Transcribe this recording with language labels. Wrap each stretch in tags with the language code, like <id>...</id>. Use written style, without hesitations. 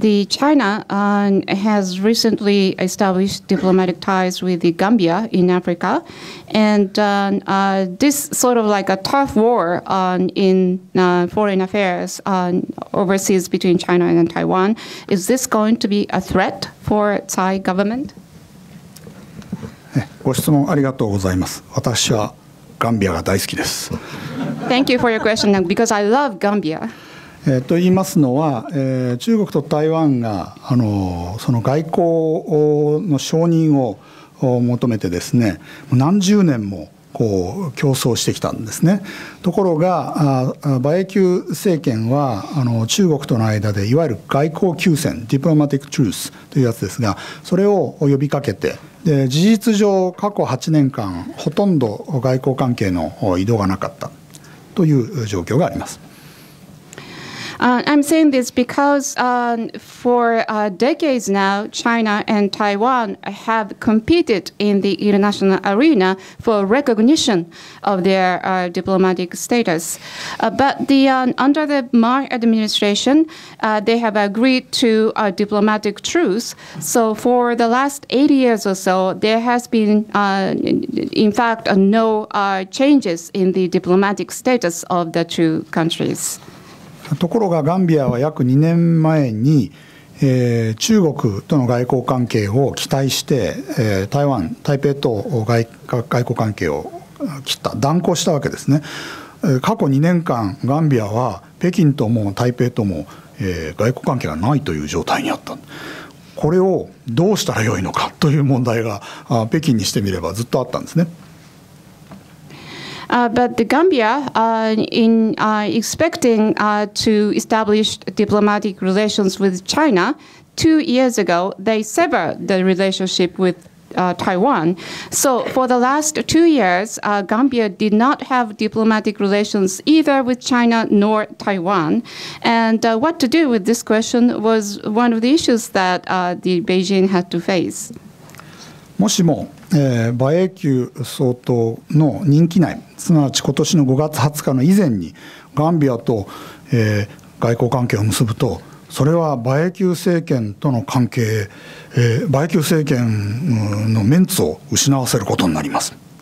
<en>China has recently established diplomatic ties with the Gambia in Africa. And this sort of like a tough war in foreign affairs overseas between China and Taiwan, is this going to be a threat for Tsai government?</en> <ja>ご質問ありがとうございます。私はガンビアが大好きです。</ja> <en>Thank you for your question, because I love Gambia.</en> <ja>と言いますのは、中国と台湾がその外交の承認を求めてですね、何十年もこう競争してきたんですね。ところが馬英九政権は中国との間でいわゆる外交休戦、ディプロマティックトゥースというやつですが、それを呼びかけて、で事実上過去8年間ほとんど外交関係の移動がなかったという状況があります。</ja> <en>I'm saying this because for decades now, China and Taiwan have competed in the international arena for recognition of their diplomatic status. But under the Ma administration, they have agreed to a diplomatic truce. So for the last 80 years or so, there has been, in fact, no changes in the diplomatic status of the two countries.</en> <ja>ところがガンビアは約2年前に、中国との外交関係を期待して、台湾、台北と外交関係を切った、断交したわけですね。過去2年間ガンビアは北京とも台北とも、外交関係がないという状態にあった。これをどうしたらよいのかという問題が北京にしてみればずっとあったんですね。</ja> <en>But the Gambia, in expecting to establish diplomatic relations with China, 2 years ago, they severed the relationship with Taiwan. So for the last 2 years, Gambia did not have diplomatic relations either with China nor Taiwan. And what to do with this question was one of the issues that the Beijing had to face.</en> <ja>もしも馬英九総統の任期内、すなわち今年の5月20日の以前にガンビアと、外交関係を結ぶと、それは馬英九政権との関係、馬英九政権のメンツを失わせることになります。</ja>